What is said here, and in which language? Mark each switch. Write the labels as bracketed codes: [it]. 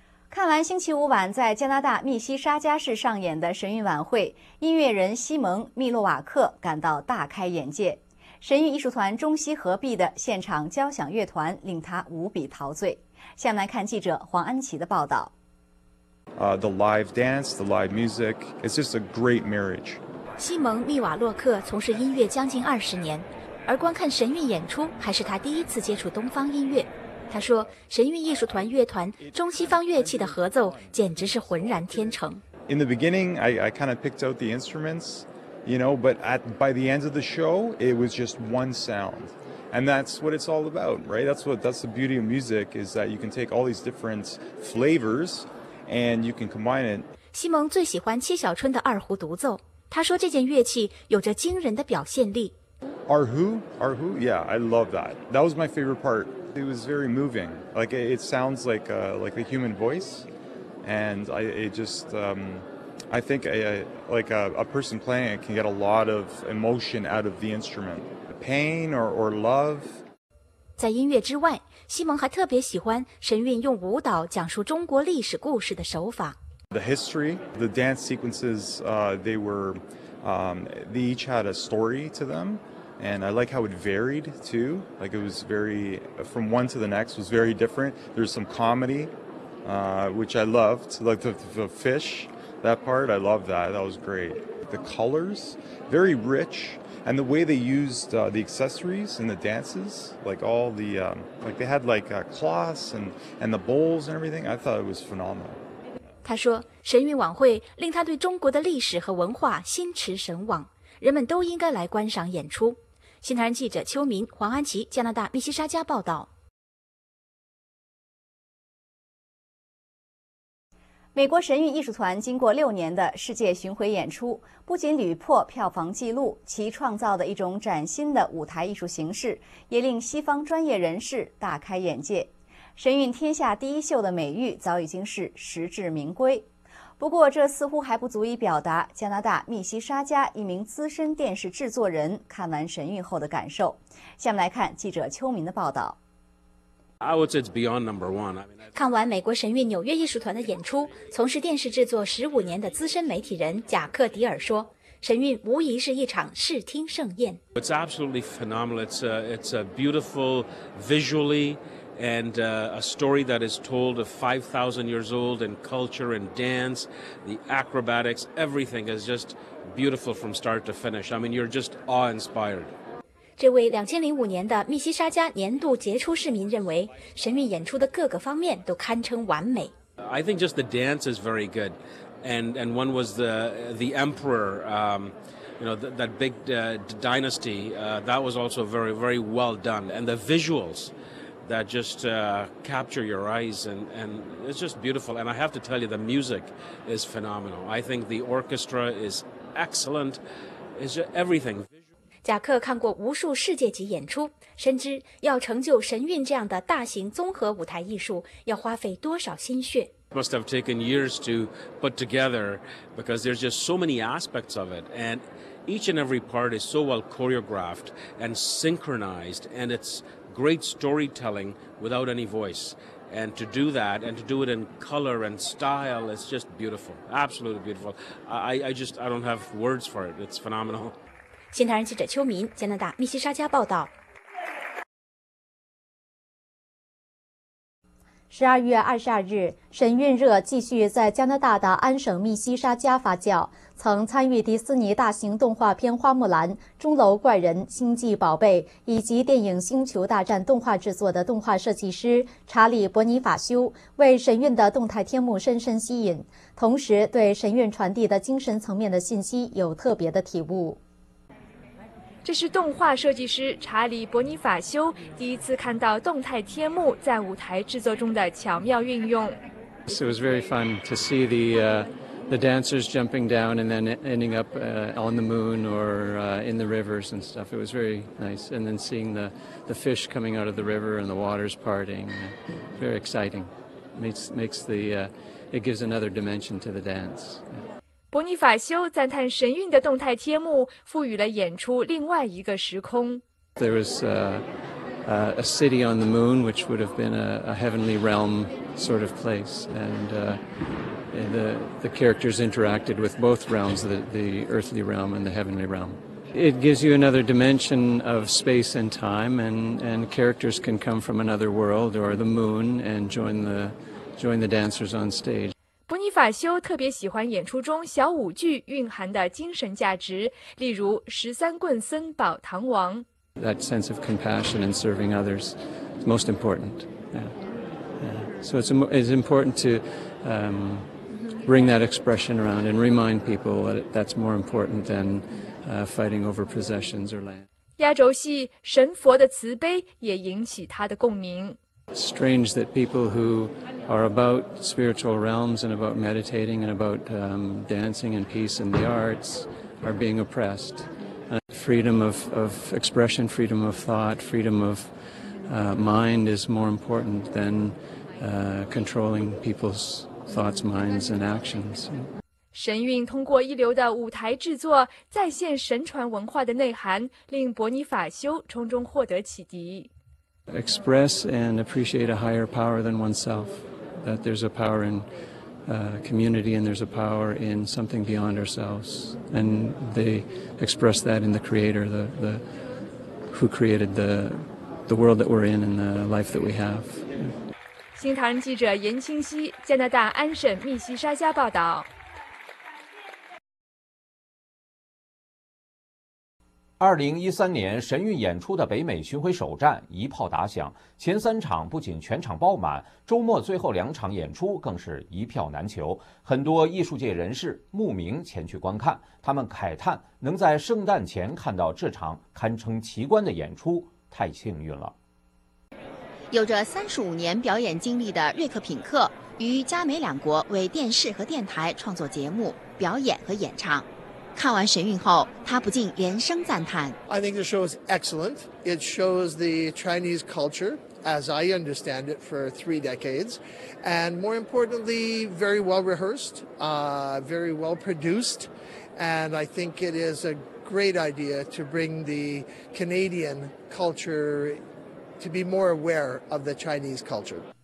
[zh] 看完星期五晚在加拿大密西沙加市上演的神韵晚会，音乐人西蒙·密洛瓦克感到大开眼界，神韵艺术团中西合璧的现场交响乐团令他无比陶醉。下面来看记者黄安琪的报道。 [en] The live dance, the live music, it's just a great marriage. [zh] 西蒙·密瓦洛克从事音乐将近20年，而观看神韵演出还是他第一次接触东方音乐。他说，神韵艺术团乐团中西方乐器的合奏简直是浑然天成。 [en] In the beginning, I kind of picked out the instruments, you know, but at, by the end of the show, it was just one sound. And that's what it's all about, right? That's the beauty of music, is that you can take all these different flavors and you can combine it. [zh] 西蒙最喜欢七小春的二胡独奏，他说这件乐器有着惊人的表现力。 [en] Arhu, yeah, I love that. That was my favorite part. It was very moving. Like, it sounds like a human voice. And I think a person playing it can get a lot of emotion out of the instrument. Pain or love. [zh] 在音乐之外，西蒙还特别喜欢神韵用舞蹈讲述中国历史故事的手法。 [en] The history, the dance sequences, they each had a story to them. And I like how it varied too. Like it was very, from one to the next was very different. There's some comedy, which I loved. Like the fish, that part, I loved that. That was great. The colors, very rich. And the way they used the accessories and the dances, like all the, like they had like cloths and the bowls and everything. I thought it was phenomenal. [zh] 他说神韵晚会令他对中国的历史和文化心驰神往。人们都应该来观赏演出。新唐人记者邱明、黄安琪，加拿大密西沙加报道。美国神韵艺术团经过六年的世界巡回演出，不仅屡破票房纪录，其创造的一种崭新的舞台艺术形式，也令西方专业人士大开眼界。神韵天下第一秀的美誉早已经是实至名归。不过这似乎还不足以表达加拿大密西沙加一名资深电视制作人看完神韵后的感受。下面来看记者邱明的报道。 [en] I would say it's beyond number one. [zh] 看完美国神韵纽约艺术团的演出，从事电视制作15年的资深媒体人贾克·迪尔说，神韵无疑是一场视听盛宴。 [en] It's absolutely phenomenal. It's a beautiful visually. And a story that is told of 5,000 years old in culture and dance, the acrobatics, everything is just beautiful from start to finish. I mean, you're just awe-inspired. [zh] 这位2005年的密西沙加年度杰出市民认为，神韵演出的各个方面都堪称完美。 [en] I think just the dance is very good. And one was the emperor, you know, that big dynasty, that was also very, very well done. And the visuals. That just capture your eyes and it's just beautiful. And I have to tell you, the music is phenomenal. I think the orchestra is excellent. It's just everything. [zh] 贾克看过无数世界级演出，深知要成就神韵这样的大型综合舞台艺术，要花费多少心血。 [en] Must have taken years to put together because there's just so many aspects of it. And each and every part is so well choreographed and synchronized. And it's... Great storytelling without any voice, and to do that and to do it in color and style, it's just beautiful, absolutely beautiful. I don't have words for it. It's phenomenal. 新唐人记者邱明，加拿大密西沙加报道。 [zh] 12月22日，神韵热继续在加拿大的安省密西沙加发酵。曾参与迪士尼大型动画片《花木兰》《钟楼怪人》《星际宝贝》以及电影《星球大战》动画制作的动画设计师查理·伯尼法修，为神韵的动态天幕深深吸引，同时对神韵传递的精神层面的信息有特别的体悟。这是动画设计师查理·伯尼法修第一次看到动态天幕在舞台制作中的巧妙运用。 [en] It was very fun to see the dancers jumping down and then ending up on the moon or in the rivers and stuff. It was very nice. And then seeing the fish coming out of the river and the waters parting, very exciting. It gives another dimension to the dance. [zh] 伯尼法修赞叹神韵的动态贴幕赋予了演出另外一个时空。 [en] There was a city on the moon, which would have been a heavenly realm sort of place, and the characters interacted with both realms, the earthly realm and the heavenly realm. It gives you another dimension of space and time, and characters can come from another world or the moon and join the dancers on stage. [zh] 伯尼法修特别喜欢演出中小舞剧蕴含的精神价值，例如《十三棍僧保唐王》。 [en] That sense of compassion and serving others is most important. Yeah. Yeah. So it's important to bring that expression around and remind people that that's more important than fighting over possessions or land. [zh] 亚洲戏神佛的慈悲也引起他的共鸣。 [en] Strange that people who are about spiritual realms and about meditating and about dancing and peace and the arts are being oppressed. Freedom of expression, freedom of thought, freedom of mind is more important than controlling people's thoughts, minds, and actions. [zh] 神韵通过一流的舞台制作再现神传文化的内涵，令伯尼法修从中获得启迪。 [en] Express and appreciate a higher power than oneself. That there's a power in community and there's a power in something beyond ourselves. And they express that in the creator, the who created the world that we're in and the life that we have. [zh] 新唐人记者严清溪，加拿大安省密西沙加报道。 2013年神韵演出的北美巡回首站一炮打响，前三场不仅全场爆满，周末最后两场演出更是一票难求，很多艺术界人士慕名前去观看，他们慨叹能在圣诞前看到这场堪称奇观的演出太幸运了。有着35年表演经历的瑞克品克于加美两国为电视和电台创作节目表演和演唱，看完神韵后他不禁连声赞叹。 [en] I think the show is excellent. It shows the Chinese culture as I understand it for 3 decades, and more importantly very well rehearsed, very well produced, and I think it is a great idea to bring the Canadian culture to be more aware of the Chinese culture.